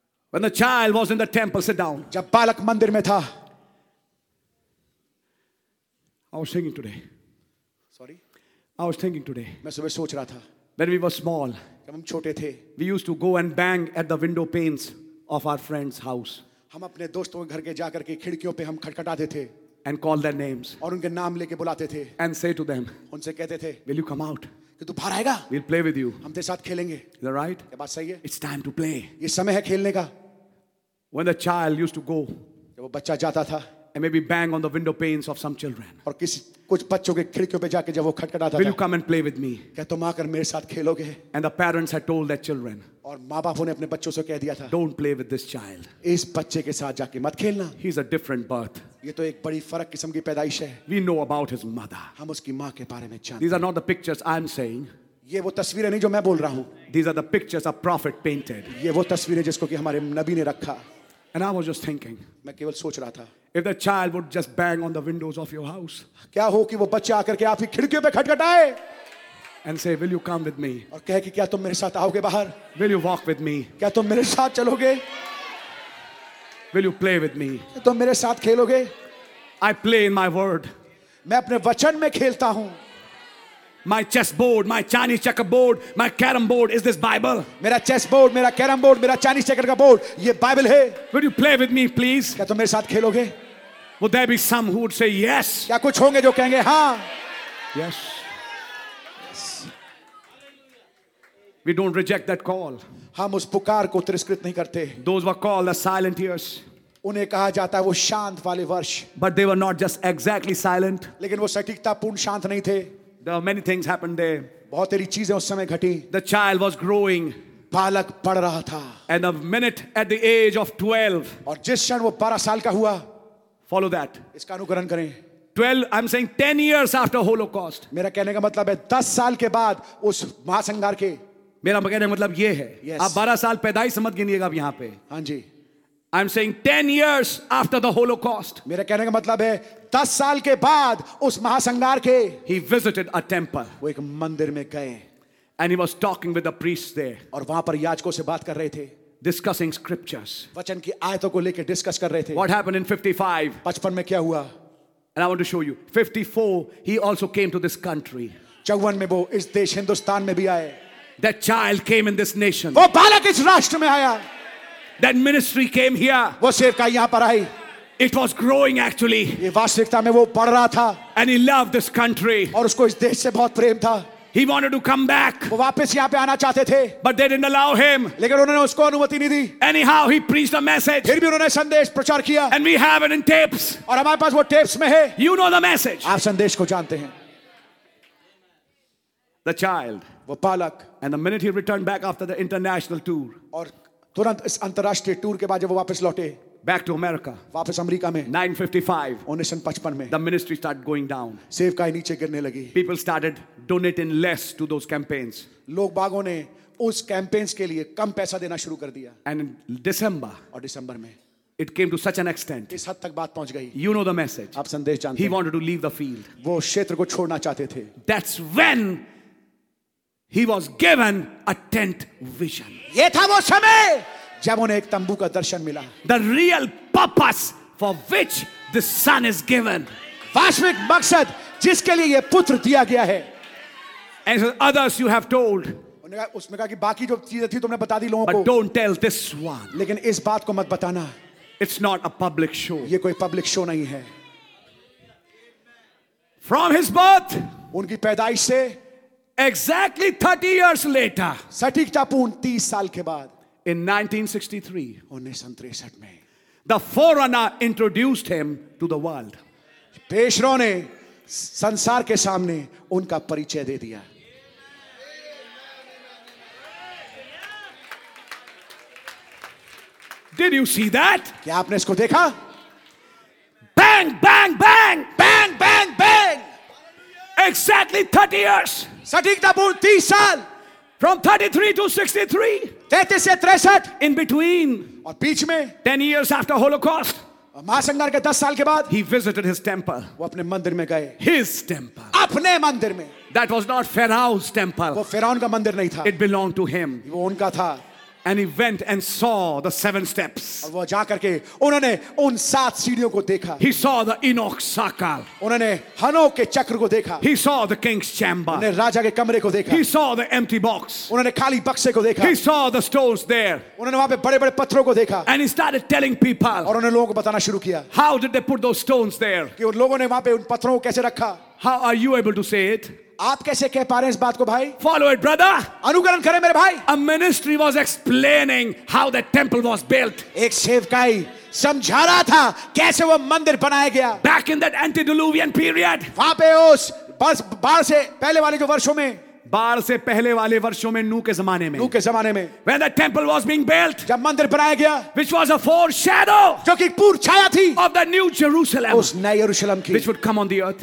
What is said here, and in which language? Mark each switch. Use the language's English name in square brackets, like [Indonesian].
[English] When the child was in the temple, sit down. [Hindi] जब बालक मंदिर में था. [English] I was thinking today. Sorry. I was thinking today. [Hindi] मैं सुबह सोच रहा था. [English] When we were small. [Hindi] जब हम छोटे थे. [English] We used to go and bang at the window panes of our friend's house. [Hindi] हम अपने दोस्तों के घर के जाकर के खिड़कियों पे हम खटखटाते थे. [English] And call their names. [Hindi] और उनके नाम लेके बुलाते थे. [English] And say to them. [Hindi] उनसे कहते थे. [English] Will you come out? [Hindi] कि तू बाहर आएगा? [English] We'll play with you. [Hindi] हम तेरे साथ खेलेंगे. [English] Is that right? [Hindi] ये बात सही है? [English] It's time to play. [Hindi] ये समय है खेलने का. [English] When the child used to go. [Hindi] जब वो बच्चा जाता था. [English] And maybe bang on the window panes of some children. [Hindi] और किसी कुछ बच्चों के खिड़कियों पे जाके जब वो खटखटाता था. [English] Will you come and play with me? [Hindi] क्या तुम आकर मेरे साथ खेलोगे? [English] And the parents had told their children. [Hindi] और माँबापों ने अपने बच्चों से कह दिया था. [English] Don't play with this child. [Hindi] इस बच्चे के साथ जाके मत खेलना. [English] He's a different birth. [Hindi] ये तो एक बड़ी फर्क किस्म की पैदाइश है. [English] We know about his mother. [Hindi] हम उसकी माँ के बारे में जानते हैं. [English] These are not the pictures I'm saying. [Hindi] ये वो तस्वीरें नहीं जो मैं बोल रहा हूँ. [English] These are the pictures a prophet painted. [Hindi] ये वो तस्वीरें जिसको कि हमारे नबी ने रखा. [English] And I was just thinking. [Hindi] मैं केवल सोच रहा था. [English] If the child would just bang on the windows of your house. [Hindi] क्या हो कि वो बच्चा आकर के आपकी खिड़कियों पे खटखटाए? [English] And say, will you come with me? [Hindi] और कहे कि क्या तुम मेरे साथ आओगे बाहर? [English] Will you walk with me? [Hindi] क्या तुम मेरे साथ चलोगे? [English] Will you play with me? [Hindi] क्या तुम मेरे साथ खेलोगे? [English] I play in my word. [Hindi] मैं अपने वचन में खेलता हूँ. [English] My chessboard, my Chinese checkerboard, my carom board is this Bible. [Hindi] मेरा chessboard, मेरा carom board, मेरा Chinese checker का board, ये Bible है. [English] Will you play with me, please? [Hindi] क्या तुम मेरे साथ खेलोगे? [English] Would there be some who would say yes? [Hindi] क्या कुछ होंगे जो कहेंगे हाँ? [English] Yes. We don't reject that call. [Hindi] हम उस पुकार को तिरस्कृत नहीं करते. [English] Those were called the silent years. [Hindi] उन्हें कहा जाता है वो शांत वाले वर्ष. [English] But they were not just exactly silent. [Hindi] लेकिन वो सटीकता पूर्ण शांत नहीं थे. [English] There were many things happened there. [Hindi] बहुत सारी चीजें उस समय घटी. [English] The child was growing. [Hindi] बालक बढ़ रहा था. [English] And a minute at the age of 12. [Hindi] और जिस क्षण वो 12 साल का हुआ. [English] Follow that. [Hindi] इसका अनुकरण करें. [English] 12, I'm saying 10 years after Holocaust. [Hindi] मेरा कहने का मतलब है 10 साल के बाद उस महासंगार के. मेरा कहने का मतलब ये है. [English] Yes. [Hindi] आप 12 साल पैदाई समत गिनिएगा यहाँ पे. हाँ जी. [English] I'm saying 10 years after the Holocaust. [Hindi] मेरा कहने का मतलब है 10 साल के बाद उस महासंगार के. [English] He visited a temple. [Hindi] वो एक मंदिर में गए. [English] And he was talking with the priests there. [Hindi] और वहाँ पर याजकों से बात कर रहे थे. [English] Discussing scriptures. [Hindi] वचन की आयतों को लेकर discuss कर रहे थे. [English] What happened in 55? [Hindi] 55 में क्या हुआ? [English] And I want to show you. 54, he also came to this country. [Hindi] 54 में वो इस देश हिंदुस्तान में भी आए. [English] That child came in this nation. [Hindi] वो बालक इस राष्ट्र में आया. [English] That ministry came here. [Hindi] वो सेवकाई यहाँ पर आई. [English] It was growing actually. [Hindi] ये वास्तविकता में वो पढ़ रहा था. [English] And he loved this country. [Hindi] और उसको इस देश से बहुत प्रेम था. [English] He wanted to come back. [Hindi] वो वापस यहाँ पे आना चाहते थे. [English] But they didn't allow him. [Hindi] लेकिन उन्होंने उसको अनुमति नहीं दी. [English] Anyhow, he preached a message. [Hindi] फिर भी उन्होंने संदेश प्रचार किया. [English] And we have it in tapes. [Hindi] और हमारे पास वो टेप्स में है. [English] You know the message. [Hindi] आप संदेश को जानते हैं. [English] The child. [Hindi] वो पालक. [English] And the minute he returned back after the international tour. [Hindi] और तुरंत इस अंतर्राष्ट्रीय टूर के बाद जब वो वापस लौटे. [English] Back to America. [Hindi] वापस अमेरिका में. [English] 1955 [Hindi] में. [English] The ministry started going down. [Hindi] सेवकाई नीचे गिरने लगी. [English] People started donating less to those campaigns. [Hindi] लोग बागों ने उस कैंपेन्स के लिए कम पैसा देना शुरू कर दिया. [English] And in December. [Hindi] और दिसंबर में. [English] It came to such an extent. [Hindi] इस हद तक बात पहुंच गई. [English] You know the message. [Hindi] आप संदेश जानते. [English] He wanted to leave the field. [Hindi] वो क्षेत्र को छोड़ना चाहते थे. [English] That's when he was given a tent vision. [Hindi] ये था वो समय. जब उन्हें एक तंबू का दर्शन मिला. [English] The real purpose for which this son is given. [Hindi] वास्तविक मकसद जिसके लिए यह पुत्र दिया गया है. [English] And others you have told. [Hindi] उन्होंने कहा, उसमें कहा कि बाकी जो चीजें थी तुमने बता दी लोगों को. [English] Don't tell this one. [Hindi] लेकिन इस बात को मत बताना. [English] It's not a public show. [Hindi] ये कोई पब्लिक शो नहीं है. [English] From his birth. [Hindi] उनकी पैदाइश से. [English] Exactly 30 years later. [Hindi] सटीकतापूर्ण 30 साल के बाद. [English] In 1963, [Hindi] 1963 में, [English] the forerunner introduced him to the world. [Hindi] पेशरों ने संसार के सामने उनका परिचय दे दिया. [English] Did you see that? [Hindi] क्या आपने इसको देखा? [English] Bang, bang, bang, bang, bang, bang. Exactly 30 years. [Hindi] सटीकतापूर्ण 30 साल. [English] From 33 to 63. [Hindi] 33 से 63. [English] In between. [Hindi] और बीच में. [English] 10 years after Holocaust. [Hindi] महासंहार के 10 साल के बाद. [English] He visited his temple. [Hindi] वो अपने मंदिर में गए. [English] His temple. [Hindi] अपने मंदिर में. [English] That was not Pharaoh's temple. [Hindi] वो फिराउन का मंदिर नहीं था. [English] It belonged to him. [Hindi] वो उनका था. [English] And he went and saw the 7 steps. [Hindi] और वो जाकर के उन्होंने उन 7 सीढ़ियों को देखा. [English] He saw the Enoch circle. [Hindi] उन्होंने हनोक के चक्र को देखा. [English] He saw the king's chamber. [Hindi] उन्होंने राजा के कमरे को देखा. [English] He saw the empty box. [Hindi] उन्होंने खाली बक्से को देखा. [English] He saw the stones there. [Hindi] उन्होंने वहाँ पे बड़े-बड़े पत्थरों को देखा. [English] And he started telling people. [Hindi] और उन्होंने लोगों को बताना शुरू किया. [English] How did they put those stones there? [Hindi] कि उन लोगों ने वहाँ पे उन पत्थरों को कैसे रखा? [English] How are you able to say it? [Hindi] आप कैसे कह पा रहे हैं इस बात को भाई? [English] Follow it, brother. [Hindi] अनुकरण करें मेरे भाई. [English] A ministry was explaining how the temple was built. [Hindi] एक सेवकाई समझा रहा था कैसे वो मंदिर बनाया गया. [English] Back in that antediluvian period. [Hindi] वहाँ पे उस बाढ़ से पहले वाले जो वर्षों में. बाढ़ से पहले वाले वर्षों में नूह के जमाने में. नूह के जमाने में. [English] When the temple was being built. [Hindi] जब मंदिर बनाया गया. [English] Which was a foreshadow. [Hindi] जो कि पूर्व छाया थी. [English] Of the new Jerusalem. [Hindi] उस नए यरूशलम की. [English] Which would come on the earth.